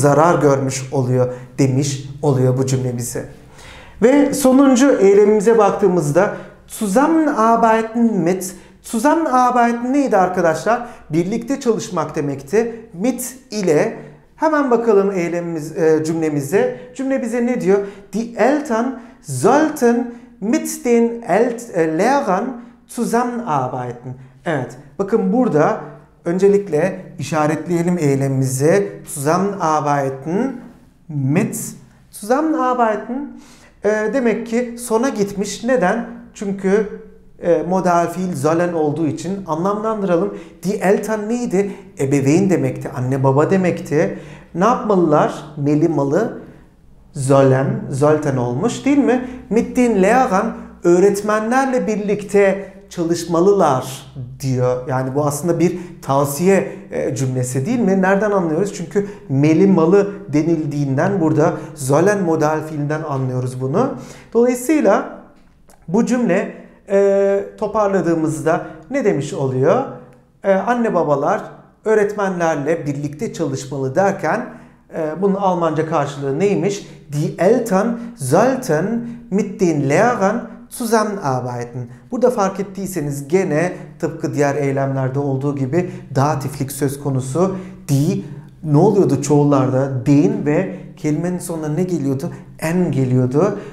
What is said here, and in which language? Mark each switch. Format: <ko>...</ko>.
<tr>Zarar görmüş oluyor demiş oluyor bu cümle bize. Ve sonuncu eylemimize baktığımızda</tr> <de>zusammenarbeiten mit.</de> <tr>Zusammenarbeiten neydi arkadaşlar? Birlikte çalışmak demekti. Mit ile. Hemen bakalım eylemimiz, cümlemize. Cümle bize ne diyor?</tr> <de>Die Eltern sollten mit den Lehrern zusammenarbeiten.</de> <tr>Evet. Bakın burada öncelikle işaretleyelim eylemimizi.</tr> <de>Zusammenarbeiten mit.</de> <tr>Zusammenarbeiten demek ki sona gitmiş. Neden? Çünkü modal fiil sollen olduğu için anlamlandıralım.</tr> <de>Die Eltern</de> <tr>neydi? Ebeveyn demekti. Anne baba demekti. Ne yapmalılar? Neli malı? Sollen. Sollten olmuş, değil mi?</tr> <de>Mit den Lehrern,</de> <tr>öğretmenlerle birlikte çalışmalılar diyor. Yani bu aslında bir tavsiye cümlesi, değil mi? Nereden anlıyoruz? Çünkü meli malı denildiğinden, burada sollen modal fiilinden anlıyoruz bunu. Dolayısıyla bu cümle toparladığımızda ne demiş oluyor? Anne babalar öğretmenlerle birlikte çalışmalı derken Bunun Almanca karşılığı neymiş?</tr> <de>Die Eltern sollten mit den Lehrern zusammenarbeiten.</de> <tr>Burada fark ettiyseniz gene tıpkı diğer eylemlerde olduğu gibi datiflik söz konusu. Die ne oluyordu çoğullarda? Den ve kelimenin sonuna ne geliyordu? En geliyordu.</tr>